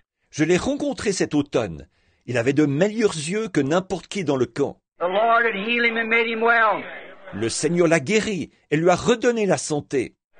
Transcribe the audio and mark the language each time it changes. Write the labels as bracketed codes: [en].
[fr] Je l'ai rencontré cet automne. Il avait de meilleurs yeux que n'importe qui dans le camp. [en] The Lord had healed him and made him well. [fr] Le Seigneur l'a guéri et lui a redonné la santé.